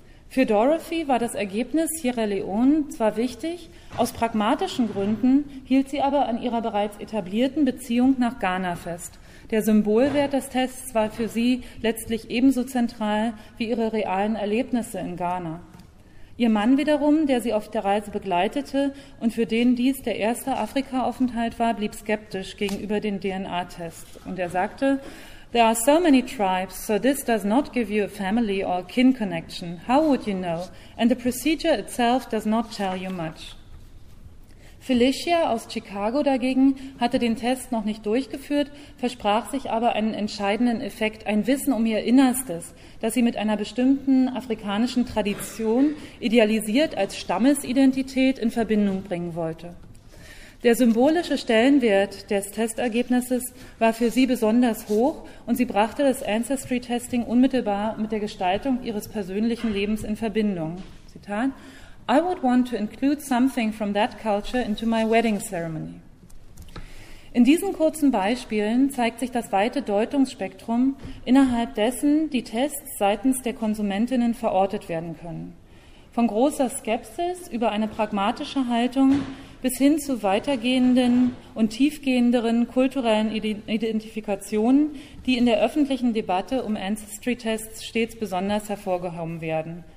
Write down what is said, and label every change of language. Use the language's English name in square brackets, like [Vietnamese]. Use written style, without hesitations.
[German] Für Dorothy war das Ergebnis Sierra Leone zwar wichtig, aus pragmatischen Gründen hielt sie aber an ihrer bereits etablierten Beziehung nach Ghana fest. Der Symbolwert des Tests war für sie letztlich ebenso zentral wie ihre realen Erlebnisse in Ghana. Ihr Mann wiederum, der sie auf der Reise begleitete und für den dies der erste Afrika-Aufenthalt war, blieb skeptisch gegenüber den DNA-Tests. [English] Und er sagte, "There are so many tribes, so this does not give you a family or a kin connection. How would you know? And the procedure itself does not tell you much." [German] Felicia aus Chicago dagegen hatte den Test noch nicht durchgeführt, versprach sich aber einen entscheidenden Effekt, ein Wissen um ihr Innerstes, das sie mit einer bestimmten afrikanischen Tradition idealisiert als Stammesidentität in Verbindung bringen wollte. Der symbolische Stellenwert des Testergebnisses war für sie besonders hoch und sie brachte das Ancestry-Testing unmittelbar mit der Gestaltung ihres persönlichen Lebens in Verbindung. Zitat: [English] "I would want to include something from that culture into my wedding ceremony." [German] In diesen kurzen Beispielen zeigt sich das weite Deutungsspektrum, innerhalb dessen die Tests seitens der Konsumentinnen verortet werden können. Von großer Skepsis über eine pragmatische Haltung bis hin zu weitergehenden und tiefgehenderen kulturellen Identifikationen, die in der öffentlichen Debatte um Ancestry-Tests stets besonders hervorgehoben werden.